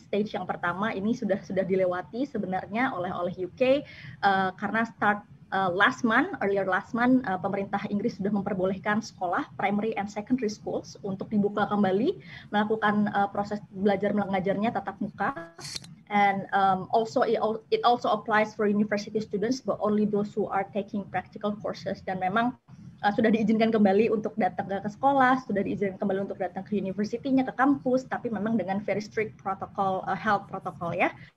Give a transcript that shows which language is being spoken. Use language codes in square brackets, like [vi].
[id] Stage yang pertama ini sudah dilewati sebenarnya oleh UK karena [en] start earlier last month, [id] pemerintah Inggris sudah memperbolehkan sekolah, [en] primary and secondary schools, [id] untuk dibuka kembali, melakukan proses belajar mengajarnya tatap muka. [en] And also it also applies for university students, but only those who are taking practical courses. [id] Dan memang sudah diizinkan kembali untuk datang ke sekolah, sudah diizinkan kembali untuk datang ke universitinya, ke kampus, tapi memang dengan [en] very strict protocol, health protocol [id] ya.